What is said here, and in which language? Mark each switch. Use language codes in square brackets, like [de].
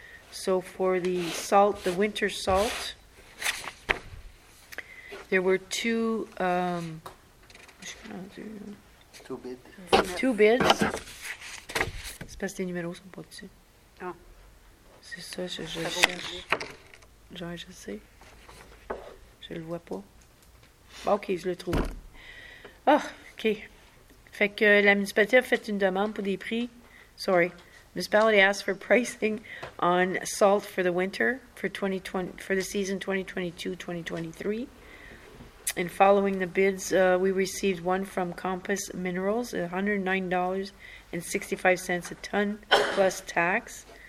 [en] So, for the salt, the winter salt, there were two bids. [fr] C'est parce que les numéros sont pas dessus. Ah. C'est ça, je cherche. Genre, je sais. Je le vois pas. OK, je le trouve. Ah, oh, OK. Fait que la municipalité a fait une demande pour des prix. [en] Sorry. Municipality asked for pricing on salt for the winter for the season 2022-2023. And following the bids, we received one from Compass Minerals, $109.65 a ton plus tax.